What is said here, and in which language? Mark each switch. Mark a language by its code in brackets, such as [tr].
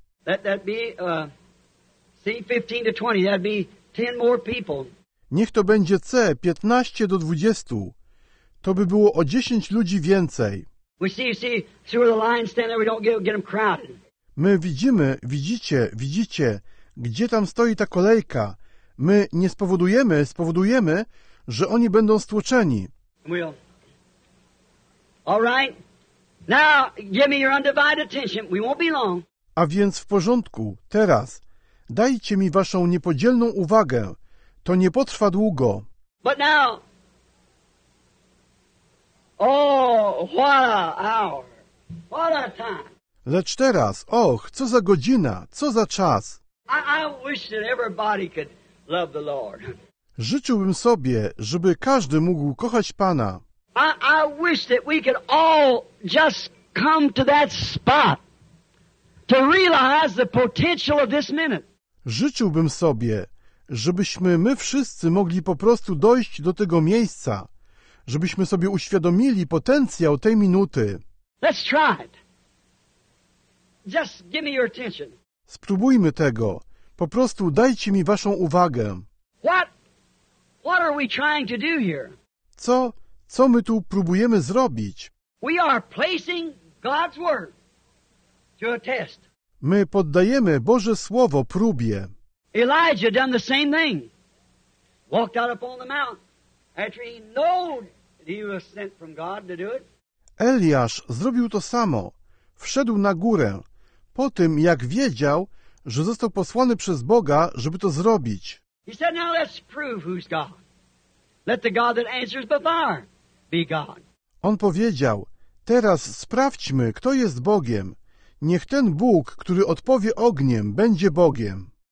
[en] That'd be, C, 15 to 20, that'd be 10 more people. [pl] Niech to będzie C, 15 do 20. To by było o 10 ludzi więcej. [en] We see, through the line stand there, we don't get them crowded. [pl] My widzimy, widzicie, gdzie tam stoi ta kolejka. My nie spowodujemy, że oni będą stłoczeni. [en] We'll. All right. Now, give me your undivided attention. We won't be long. [pl] A więc w porządku, teraz. Dajcie mi waszą niepodzielną uwagę. To nie potrwa długo. [en] But now, oh, what a hour, what a time. [pl] Lecz teraz, och, co za godzina, co za czas. [en] I wish that everybody could love the Lord. [pl] Życzyłbym sobie, żeby każdy mógł kochać Pana. [en] I wish that we could all just come to that spot to realize the potential of this minute. [pl] Życzyłbym sobie, żebyśmy my wszyscy mogli po prostu dojść do tego miejsca, żebyśmy sobie uświadomili potencjał tej minuty. [en] Let's try it. Just give me your attention. [pl] Spróbujmy tego. Po prostu dajcie mi waszą uwagę. [en] What are we trying to do here? [pl] Co my tu próbujemy zrobić? [en] We are placing God's word to a test. [pl] My poddajemy Boże Słowo próbie. [en] Elijah done the same thing. Walked out upon the mount after he knew that he was sent from God to do it. [pl] Eliasz zrobił to samo. Wszedł na górę po tym, jak wiedział, że został posłany przez Boga, żeby to zrobić. [en] He said, now let's prove who's God. Let the God that answers before. [pl] On powiedział, teraz sprawdźmy, kto jest Bogiem. Niech ten Bóg, który odpowie ogniem, będzie Bogiem.